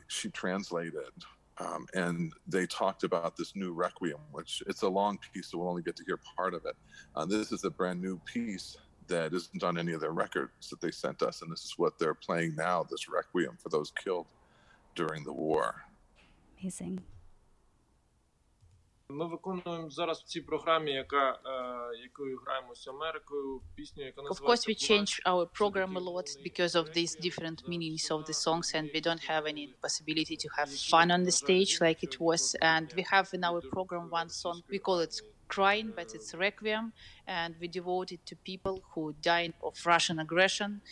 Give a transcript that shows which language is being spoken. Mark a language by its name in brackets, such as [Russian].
[English] She translated, and they talked about this new requiem, which it's a long piece, so we'll only get to hear part of it. This is a brand new piece that isn't on any of their records that they sent us, and this is what they're playing now, this requiem for those killed during the war. Amazing. [Ukrainian] Ми виконуємо зараз в цій програмі, якою граємо з Америкою, пісню, яка називається... [English] Of course, we change our program a lot because of these different meanings of the songs, and we don't have any possibility to have fun on the stage like it was. And we have in our program one song, we call it Crying, but it's Requiem, and we devote it to people who died of Russian aggression.